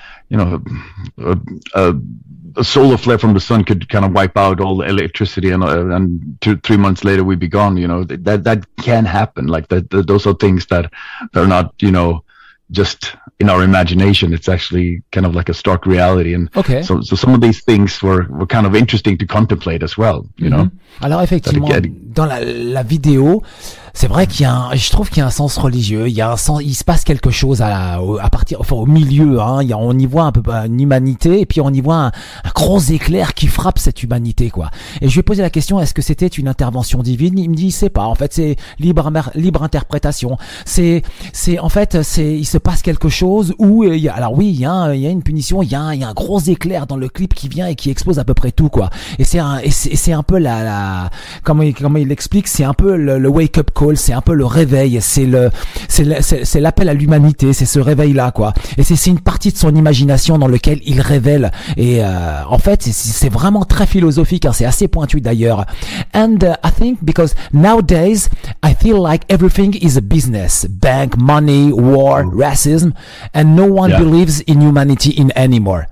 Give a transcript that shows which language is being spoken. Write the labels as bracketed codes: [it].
[en] You know, a solar flare from the sun could kind of wipe out all the electricity, and 2-3 months later we'd be gone. You know, that can happen. Like those are things that are not, you know, just in our imagination. It's actually kind of like a stark reality. And okay. So some of these things were kind of interesting to contemplate as well, you mm-hmm. know. [fr] Alors effectivement, dans la vidéo, c'est vrai qu'il y a je trouve qu'il y a un sens religieux, il y a un sens, il se passe quelque chose au milieu, hein, on y voit un peu une humanité et puis on y voit un gros éclair qui frappe cette humanité, quoi. Et je lui ai posé la question, est-ce que c'était une intervention divine? Il me dit, c'est pas, en fait, c'est libre interprétation. Il se passe quelque chose où, il y a une punition, il y a un gros éclair dans le clip qui vient et qui explose à peu près tout, quoi. Et c'est un peu comment il l'explique, c'est un peu le wake up call, c'est un peu le réveil, c'est l'appel à l'humanité, c'est ce réveil là, quoi. Et c'est une partie de son imagination dans lequel il révèle. Et en fait, c'est vraiment très philosophique, hein, c'est assez pointu d'ailleurs. [en] And I think because nowadays I feel like everything is a business, bank, money, war, racism, and no one believes in humanity in anymore.